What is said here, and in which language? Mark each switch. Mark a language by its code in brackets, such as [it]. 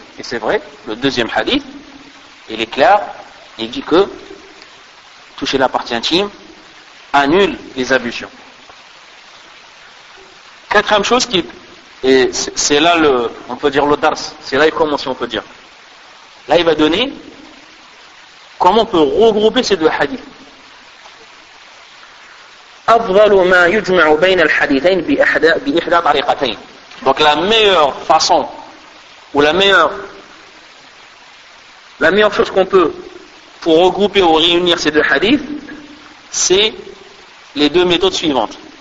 [fr] Et c'est vrai, le deuxième hadith, il est clair, il dit que toucher la partie intime annule les ablutions. Quatrième chose qui, et c'est là le, on peut dire le dars, c'est là il commence, on peut dire. Là il va donner comment on peut regrouper ces deux hadiths. [ar] أفضل ما يجمع بين الحديثين بإحدى طريقتين. [fr] Donc la meilleure façon ou la meilleure chose qu'on peut pour regrouper ou réunir ces deux hadiths, c'est les deux méthodes suivantes.